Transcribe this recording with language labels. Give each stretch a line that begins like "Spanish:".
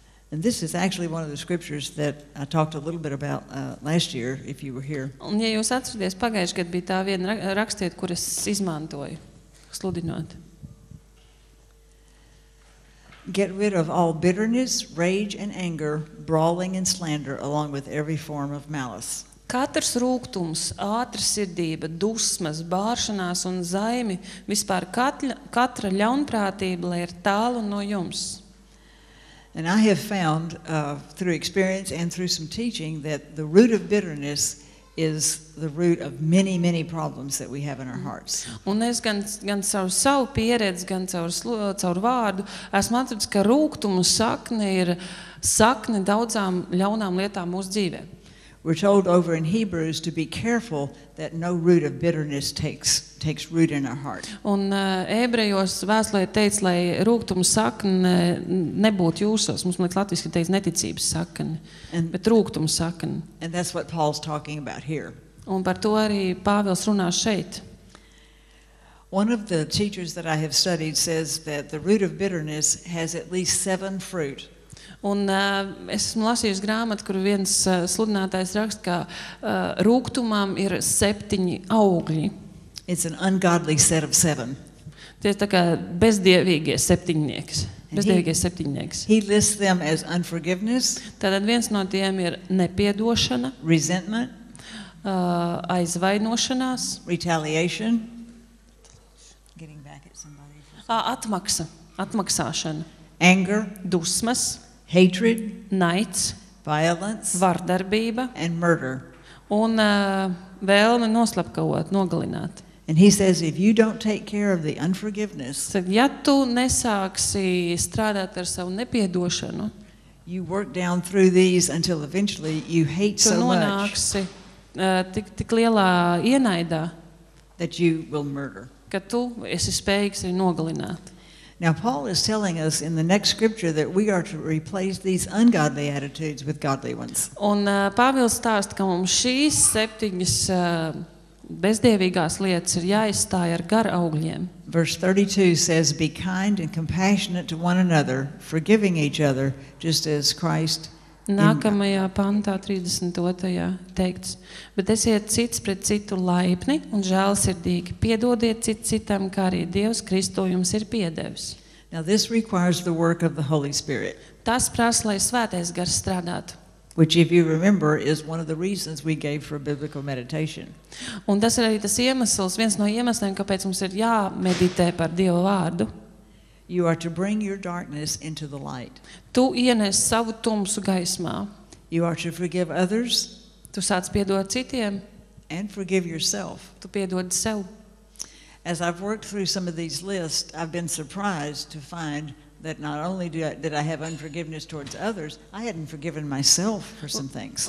English: And this is actually one of the scriptures that I talked a little bit about last year if you were here.
Latvian: Un ja jūs atceraties pagājušajā gadā bija tā viena rakstiet, kur es izmantoju sludinot.
English: Get rid of all bitterness, rage and anger, brawling and slander along with every form of malice.
Latvian: Katrs rūgtums, ātrsirdība, dusmas, bāršanās un zaimi, vispār katra ļaunprātība, lai ir tālu no jums.
English: And I have found through experience and through some teaching that the root of bitterness is the root of many, many problems that we have in our hearts.
Latvian: Un es gan savu pieredzi, gan caur vārdu, esmu atradis, ka rūgtuma sakne ir sakne daudzām ļaunām lietām mūsu dzīvē.
English: We're told over in Hebrews to be careful that no root of bitterness takes root in our heart.
Latvian: Un ebrejos vēstulē teic, lai rūgtuma sakne nebūtu jūsos. Mums liekas latviski teic neticības sakne, bet rūgtuma sakne.
English: And that's what Paul's talking about here.
Latvian: Un par to arī Pāvils runā šeit.
English: One of the teachers that I have studied says that the root of bitterness has at least 7 fruit.
Latvian: Un es esmu lasījusi grāmatu, kur viens sludinātājs raksta, ka rūgtumam ir 7 augļi.
English: It's an ungodly set of 7.
Latvian: Tie ir tā kā bezdievīgie septiņnieks. Bezdievīgie septiņnieks.
English: He lists them as unforgiveness.
Latvian: Tātad viens no tiem ir nepiedošana.
English: Resentment.
Latvian: Aizvainošanās.
English: Retaliation. Getting back at somebody.
Latvian: Atmaksa. Atmaksāšana.
English: Anger.
Latvian: Dusmas.
English: Hatred, nights, violence,
Latvian: vardarbība
English: and murder.
Latvian: Un vēlme noslapkavot, nogalināt.
English: And he says if you don't take care of the unforgiveness,
Latvian: ja tu nesāksi strādāt ar savu nepiedošanu,
English: you work down through these until eventually you hate so much.
Latvian: Tu nonāksi tik lielā ienaidā,
English: that you will murder.
Latvian: Ka tu esi spējīgs arī nogalināt.
English: Now Paul is telling us in the next scripture that we are to replace these ungodly attitudes with godly ones.
Latvian: Un Pāvils stāsta, ka mums šīs 7 bezdievīgās lietas ir jāizstāj ar gara augļiem.
English: Verse 32 says be kind and compassionate to one another, forgiving each other, just as Christ.
Latvian: Nākamajā pantā 32. Teikts: "Bet esiet cits pret citu laipni un žēlsirdīgi, piedodiet cits citam, kā arī Dievs Kristu jums ir piedevis."
English: Now this requires the work of the Holy Spirit.
Latvian: Tas prasa, lai Svētais Gars strādātu.
English: Which if you remember is one of the reasons we gave for biblical meditation.
Latvian: Un tas ir arī tas iemesls, viens no iemesliem, kāpēc mums ir jāmeditē par Dieva vārdu.
English: You are to bring your darkness into the light.
Latvian: Tu ienesi savu tumsu gaismā.
English: You are to forgive others.
Latvian: Tu sāc piedot citiem.
English: And forgive yourself.
Latvian: Tu piedod sev.
English: As I've worked through some of these lists, I've been surprised to find that not only did I have unforgiveness towards others, I hadn't forgiven myself for some things.